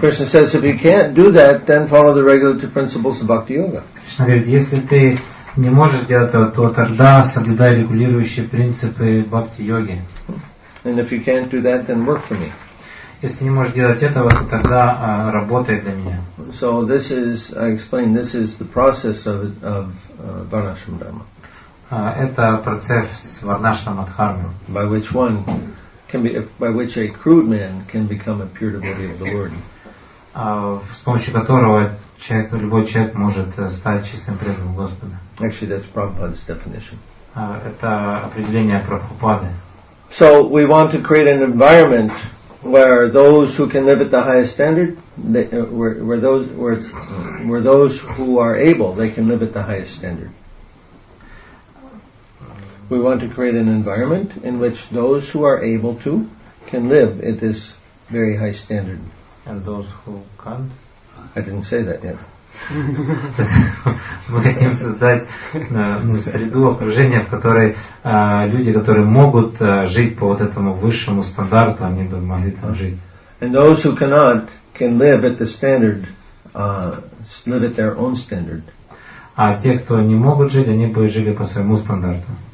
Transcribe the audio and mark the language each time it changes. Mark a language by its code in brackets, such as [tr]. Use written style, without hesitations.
[en] Krishna says, if you can't do that, then follow the regulative principles of Bhakti Yoga. [ru] Кришна говорит, если ты не можешь делать этого, то тогда соблюдай регулирующие принципы Бхакти Йоги. [en] And if you can't do that, then work for me. [ru] Если не можешь делать этого, то тогда работай для меня. [en] So this is, I explained, this is the process of Varnashram Dharma. [ru] Это процесс Варнашрама Дхармы. [en] By which one can be, by which a crude man can become a pure devotee of the Lord. [ru] С помощью которого человек, любой человек может стать чистым преданным Господа. [en] Actually, that's Prabhupada's definition. [ru] Это определение Прабхупады. [en] So we want to create an environment where those who can live at the highest standard, where those who are able, they can live at the highest standard. We want to create an environment in which those who are able to can live at this very high standard. And those who can't? I didn't say that yet. [ru] Мы хотим создать среду, окружение, в которой люди, которые могут жить по вот этому высшему стандарту, они бы могли там жить. [en] And those who cannot can live at the standard, live at their own standard. [ru] А те, кто не могут жить, они бы жили по своему стандарту.